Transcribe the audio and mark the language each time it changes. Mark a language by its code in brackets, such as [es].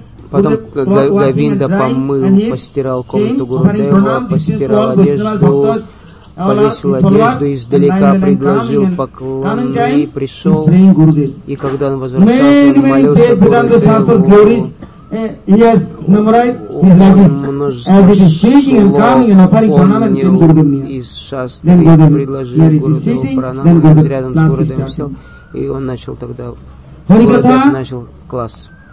[ru] Потом Говинда помыл, постирал комнату Гурудева, постирал одежду, повесил одежду, издалека предложил поклон и пришел. И когда он возвращался, он молился Гурудеву. [en] Yes, memorize. [ru] Он [en] as it is speaking and coming and offering pranam [ru] из шастры и предложил Гурудеву пранам, он рядом с Гурудевым сел, и он начал тогда, Гурудев начал класс.